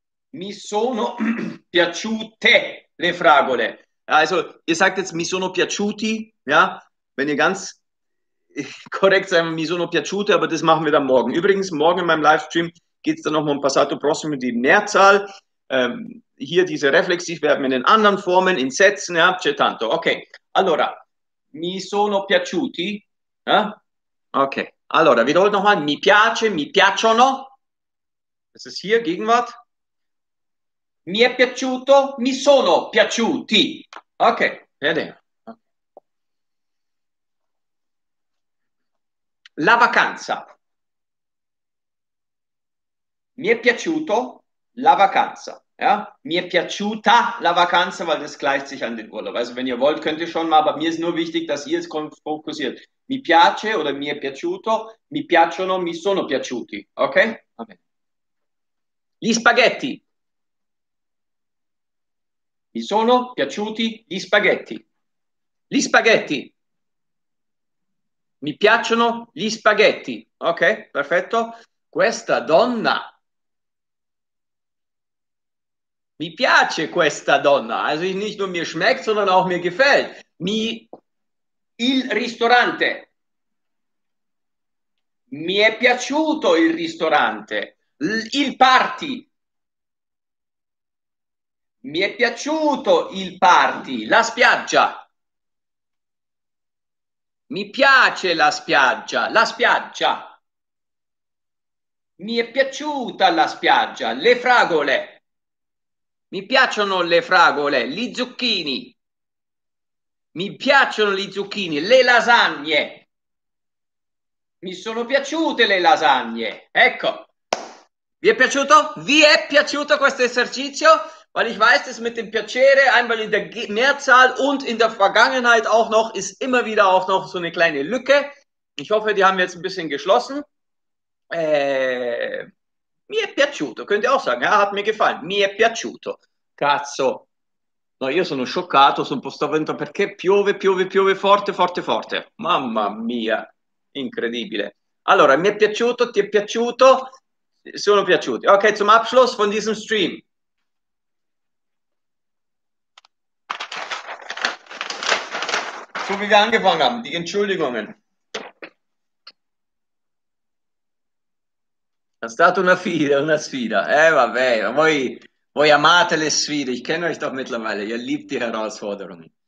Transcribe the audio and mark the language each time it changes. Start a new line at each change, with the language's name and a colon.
Italian: Mi sono piaciute le fragole.
German: Also, ihr sagt jetzt
Italian: mi sono piaciuti,
German: ja? Wenn ihr ganz korrekt sagt,
Italian: mi sono piaciute,
German: aber das machen wir dann morgen. Übrigens, morgen in meinem Livestream geht es dann nochmal um passato prossimo, die Mehrzahl. Hier diese Reflexivverben in den anderen Formen, in Sätzen, ja,
Italian: c'è tanto. Okay, allora, mi sono piaciuti, ja? Okay, allora,
German: wiederholt nochmal,
Italian: mi piace, mi piacciono.
German: Das ist hier, Gegenwart.
Italian: Mi è piaciuto, mi sono piaciuti. Okay, bene. La vacanza. Mi è piaciuto la vacanza.
German: Ja?
Italian: Mi è piaciuta la vacanza,
German: weil das gleicht sich an den Urlaub. Also wenn ihr wollt, könnt ihr schon mal, aber mir ist nur wichtig, dass ihr es fokussiert.
Italian: Mi piace oder mi è piaciuto, mi piacciono, mi sono piaciuti. Okay? Okay. Gli spaghetti. Mi sono piaciuti gli spaghetti. Gli spaghetti. Mi piacciono gli spaghetti. Ok, perfetto. Questa donna. Mi piace questa donna.
German: Also nicht nur mir schmeckt, sondern auch mir gefällt.
Italian: Mi... Il ristorante. Mi è piaciuto il ristorante. Il party. Mi è piaciuto il party. La spiaggia. Mi piace la spiaggia. La spiaggia. Mi è piaciuta la spiaggia. Le fragole. Mi piacciono le fragole. Gli zucchini. Mi piacciono gli zucchini. Le lasagne. Mi sono piaciute le lasagne. Ecco. Vi è piaciuto? Vi è piaciuto questo esercizio?
German: Weil ich weiß, das mit dem Piacere, einmal in der Mehrzahl und in der Vergangenheit auch noch, ist immer wieder auch noch so eine kleine Lücke. Ich hoffe, die haben wir jetzt ein bisschen geschlossen.
Italian: Mi è piaciuto,
German: könnt ihr auch sagen. Ja, hat mir gefallen.
Italian: Mi è piaciuto. Cazzo. No, io sono scioccato, sono un po' spaventato perché piove, piove, piove forte, forte, forte. Mamma mia, incredibile. Allora, mi è piaciuto, ti è piaciuto, sono piaciuti.
German: Ok, zum Abschluss von diesem Stream. So wie wir angefangen haben, die Entschuldigungen.
Italian: È stata una sfida, vabbè, voi amate le sfide,
German: ich kenne euch doch mittlerweile, ihr liebt die Herausforderungen.